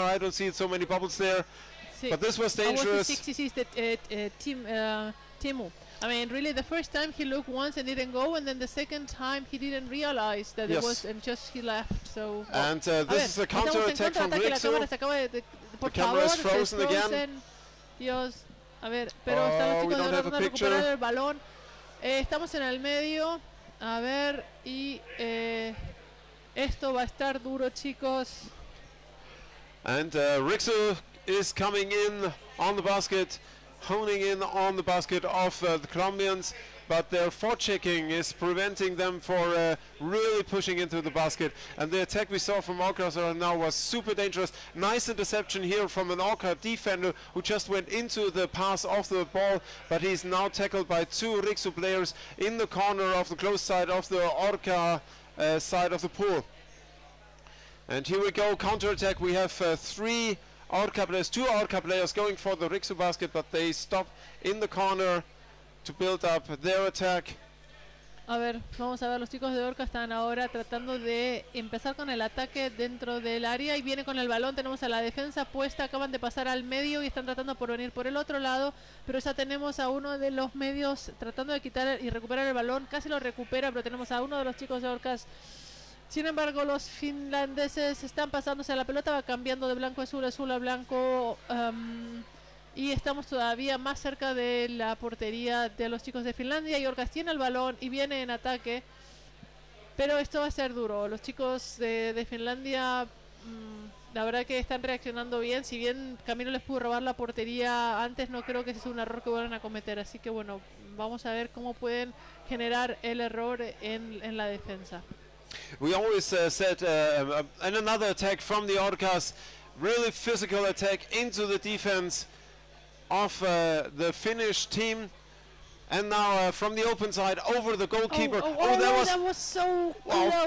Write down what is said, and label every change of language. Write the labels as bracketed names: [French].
[English] I don't see so many bubbles there. But this was dangerous. Timo. I mean, really, the first time he looked once and didn't go, and then the second time he didn't realize that it was, and just he left. So. And this is a counter attack from Riksu. The camera is frozen again. [Spanish] Dios. A ver, pero están los chicos tratando de recuperar el balón. Estamos en el medio. A ver, y esto va a estar duro, chicos. [English] And Riksu is coming in on the basket, honing in on the basket of the Colombians, but their forechecking is preventing them for really pushing into the basket. And the attack we saw from Orcas right now was super dangerous. Nice interception here from an Orca defender who just went into the pass of the ball, but he's now tackled by two Riksu players in the corner of the close side of the Orca side of the pool. And here we go, counterattack. We have three Orca players, two Orca players going for the Riksu basket, but they stop in the corner to build up their attack. [Spanish] A ver, vamos a ver, los chicos de Orca están ahora tratando de empezar con el ataque dentro del área y viene con el balón, tenemos a la defensa puesta, acaban de pasar al medio y están tratando por venir por el otro lado, pero ya tenemos a uno de los medios tratando de quitar y recuperar el balón, casi lo recupera, pero tenemos a uno de los chicos de Orcas. Sin embargo, los finlandeses están pasándose a la pelota, va cambiando de blanco a azul, azul a blanco, y estamos todavía más cerca de la portería de los chicos de Finlandia. Y Orcas tiene el balón y viene en ataque. Pero esto va a ser duro. Los chicos de Finlandia, la verdad que están reaccionando bien. Si bien Camilo les pudo robar la portería antes, no creo que ese sea un error que vuelvan a cometer. Así que bueno, vamos a ver cómo pueden generar el error en la defensa. [English] We always said and another attack from the Orcas, really physical attack into the defense of the Finnish team. And now from the open side over the goalkeeper. Oh, that was so close.